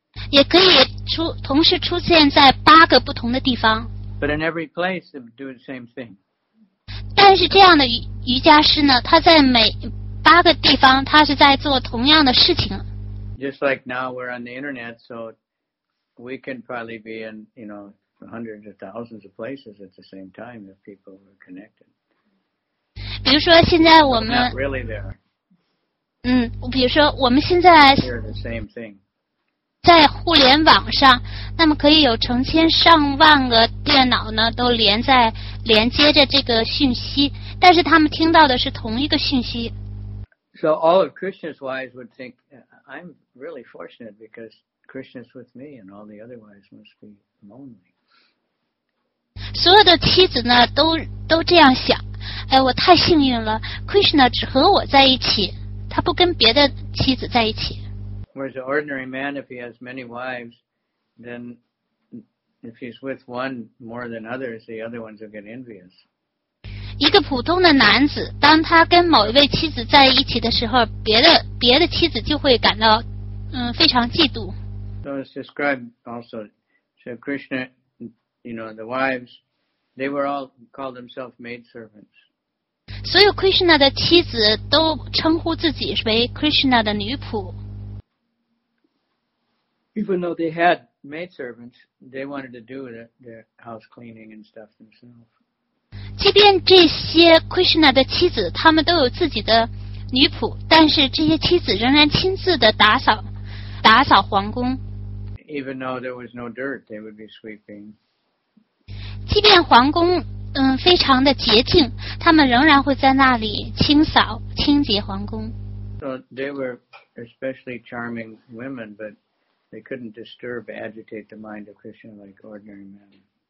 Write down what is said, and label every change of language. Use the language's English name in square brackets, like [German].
[Chinese] 也可以同时出现在八个不同的地方。 [English] But in every place, they do the same thing. [Chinese] 但是这样的瑜伽师呢，他在每八个地方，他是在做同样的事情。 [English] Just like now, we're on the internet, so we can probably be in, you know, hundreds of thousands of places at the same time if people are connected. [Chinese] 比如说现在我们 [English] Not really there. [Chinese] 比如说我们现在 [English] They're the same thing. [Chinese] 在互联网上，那么可以有成千上万个电脑呢，都连接着这个讯息，但是他们听到的是同一个讯息。 [English] So all of Krishna's wives would think, I'm really fortunate because Krishna's with me, and all the other wives must be lonely. [Chinese] 所有的妻子呢，都这样想，哎，我太幸运了 ，Krishna 只和我在一起，他不跟别的妻子在一起。 [English] Whereas an ordinary man, if he has many wives, then if he's with one more than others, the other ones will get envious. [Chinese] 一个普通的男子，当他跟某一位妻子在一起的时候，别的妻子就会感到，非常嫉妒。 [English] So it's described also, so Krishna, you know, the wives, they were all called themselves maid servants. [Chinese] 所有 Krishna 的妻子都称呼自己为 Krishna 的女仆。 [English] Even though they had maid servants, they wanted to do their house cleaning and stuff themselves. [Chinese] 即便这些 Krishna 的妻子，他们都有自己的女仆，但是这些妻子仍然亲自的打扫皇宫。 [English] Even though there was no dirt, they would be sweeping. [Chinese] 即便皇宫非常的洁净，他们仍然会在那里清洁皇宫。 [English] So they were especially charming women, but. They couldn't disturb, agitate the mind of Krishna like ordinary men.